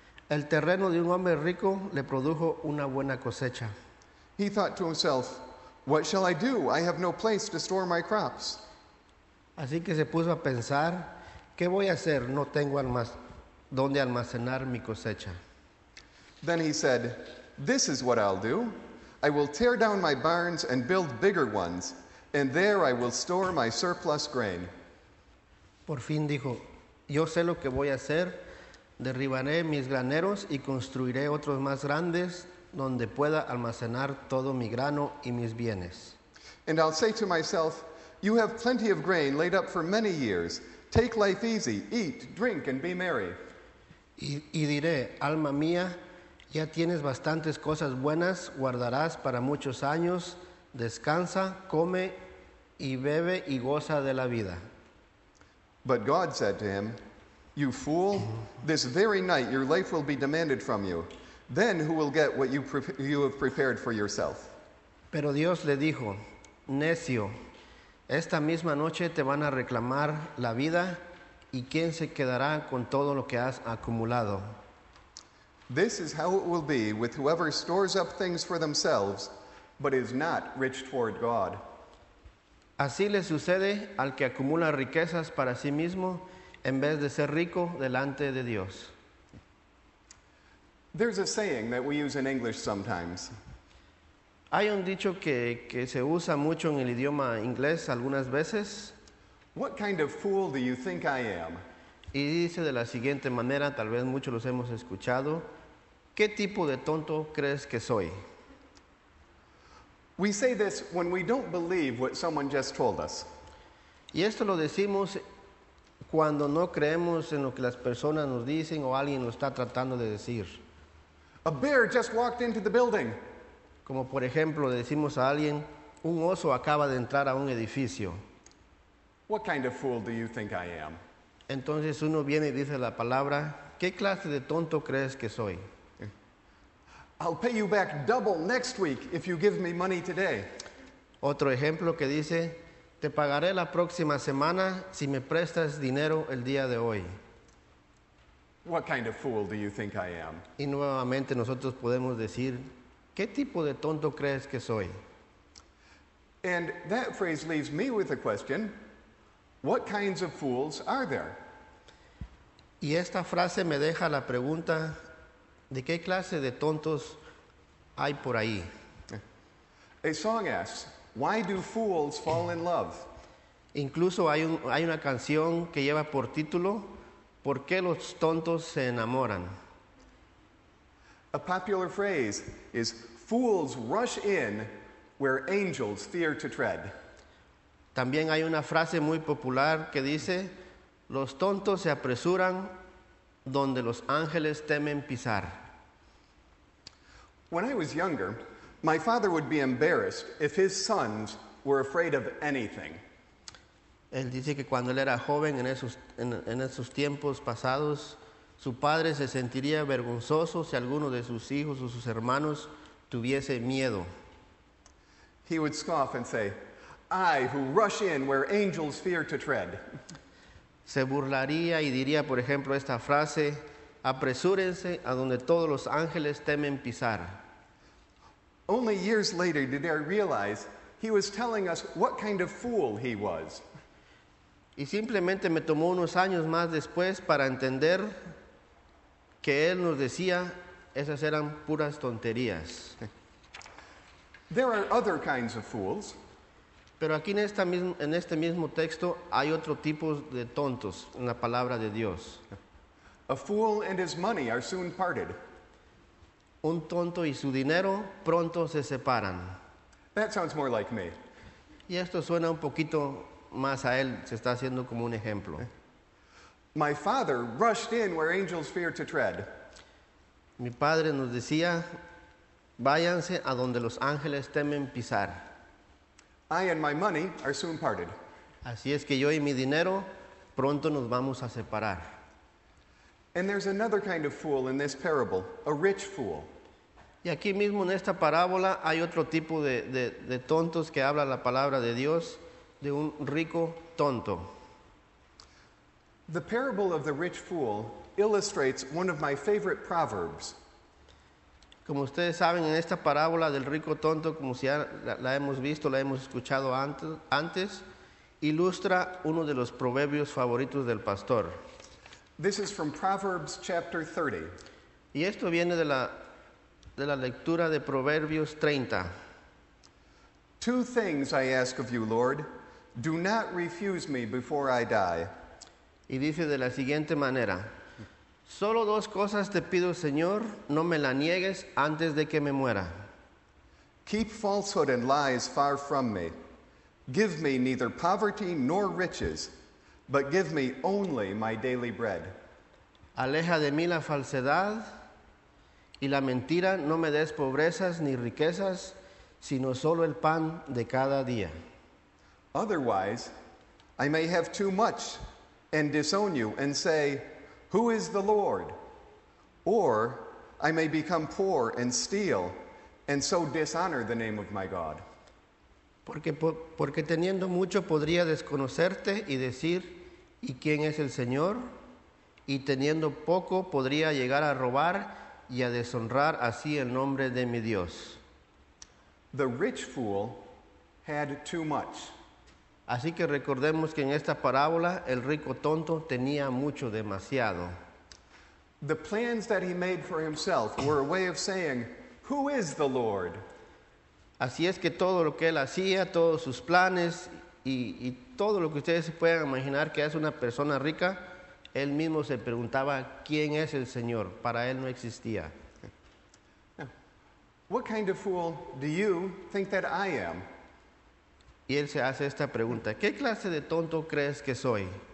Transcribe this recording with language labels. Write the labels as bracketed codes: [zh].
[es] El terreno de un hombre rico le produjo una buena cosecha. [en] He thought to himself, What shall I do? I have no place to store my crops. [es] Así que se puso a pensar, ¿qué voy a hacer? No tengo donde almacenar mi cosecha. [en] Then he said, This is what I'll do. I will tear down my barns and build bigger ones, and there I will store my surplus grain. [es] Por fin dijo, yo sé lo que voy a hacer. Derribaré mis graneros y construiré otros más grandes donde pueda almacenar todo mi grano y mis bienes. [en] And I'll say to myself, you have plenty of grain laid up for many years. Take life easy, eat, drink, and be merry. [es] Y diré, alma mía, ya tienes bastantes cosas buenas, guardarás para muchos años. Descansa, come, y bebe, y goza de la vida. [en] But God said to him, You fool, this very night your life will be demanded from you. Then who will get what you have prepared for yourself? [es] Pero Dios le dijo, Necio, esta misma noche te van a reclamar la vida, y quién se quedará con todo lo que has acumulado. [en] This is how it will be with whoever stores up things for themselves, but is not rich toward God. [es] Así le sucede al que acumula riquezas para sí mismo, en vez de ser rico delante de Dios. [en] There's a saying that we use in English sometimes. [es] Hay un dicho que se usa mucho en el idioma inglés algunas veces. [en] What kind of fool do you think I am? [es] Y dice de la siguiente manera, tal vez muchos los hemos escuchado. ¿Qué tipo de tonto crees que soy? [en] We say this when we don't believe what someone just told us. [es] Y esto lo decimos cuando no creemos en lo que las personas nos dicen o alguien lo está tratando de decir. [en] A bear just walked into the building. [es] Como por ejemplo decimos a alguien, un oso acaba de entrar a un edificio. [en] What kind of fool do you think I am? [es] Entonces uno viene y dice la palabra, ¿qué clase de tonto crees que soy? [en] I'll pay you back double next week if you give me money today. [es] Otro ejemplo que dice, te pagaré la próxima semana si me prestas dinero el día de hoy. [en] What kind of fool do you think I am? [es] Y nuevamente nosotros podemos decir, ¿qué tipo de tonto crees que soy? [en] And that phrase leaves me with a question, what kinds of fools are there? [es] Y esta frase me deja la pregunta, ¿de qué clase de tontos hay por ahí? [en] A song asks, why do fools fall in love? [es] Incluso hay una canción que lleva por título, ¿por qué los tontos se enamoran? [en] A popular phrase is, fools rush in where angels fear to tread. [es] También hay una frase muy popular que dice, los tontos se apresuran donde los ángeles temen pisar. [en] When I was younger, my father would be embarrassed if his sons were afraid of anything. [es] Él dice que cuando él era joven, en esos tiempos pasados, su padre se sentiría vergonzoso si alguno de sus hijos o sus hermanos tuviese miedo. [en] He would scoff and say, I who rush in where angels fear to tread. [es] Se burlaría y diría, por ejemplo, esta frase, apresúrense a donde todos los ángeles temen pisar. [en] Only years later did I realize he was telling us what kind of fool he was. [es] Y simplemente me tomó unos años más después para entender que él nos decía esas eran puras tonterías. [en] There are other kinds of fools. [es] Pero aquí en este mismo texto hay otro tipo de tontos en la palabra de Dios. [en] A fool and his money are soon parted. [es] Un tonto y su dinero pronto se separan. [en] That sounds more like me. [es] Y esto suena un poquito más a él, se está haciendo como un ejemplo. [en] My father rushed in where angels fear to tread. [es] Mi padre nos decía, váyanse a donde los ángeles temen pisar. [en] I and my money are soon parted. [es] Así es que yo y mi dinero pronto nos vamos a separar. [en] And there's another kind of fool in this parable, a rich fool. [es] Y aquí mismo en esta parábola hay otro tipo de tontos que habla la palabra de Dios, de un rico tonto. [en] The parable of the rich fool illustrates one of my favorite proverbs. [es] Como ustedes saben, en esta parábola del rico tonto, como si la hemos visto, la hemos escuchado antes, ilustra uno de los proverbios favoritos del pastor. [en] This is from Proverbs chapter 30. [es] Y esto viene de la lectura de Proverbios 30. [en] Two things I ask of you, Lord. Do not refuse me before I die. [es] Y dice de la siguiente manera. Solo dos cosas te pido, Señor, no me la niegues antes de que me muera. [en] Keep falsehood and lies far from me. Give me neither poverty nor riches, but give me only my daily bread. [es] Aleja de mí la falsedad y la mentira, no me des pobrezas ni riquezas, sino solo el pan de cada día. [en] Otherwise, I may have too much and disown you and say, who is the Lord? Or I may become poor and steal and so dishonor the name of my God. [es] Porque teniendo mucho podría desconocerte y decir, ¿y quién es el Señor? Y teniendo poco podría llegar a robar y a deshonrar así el nombre de mi Dios. [en] The rich fool had too much. [es] Así que recordemos que en esta parábola el rico tonto tenía mucho, demasiado. [en] The plans that he made for himself were a way of saying, who is the Lord? [es] Así es que todo lo que él hacía, todos sus planes y todo lo que ustedes se puedan imaginar que es una persona rica, él mismo se preguntaba, ¿quién es el Señor? Para él no existía. [en] What kind of fool do you think that I am? [es] Y él se hace esta pregunta, ¿qué clase de tonto crees que soy?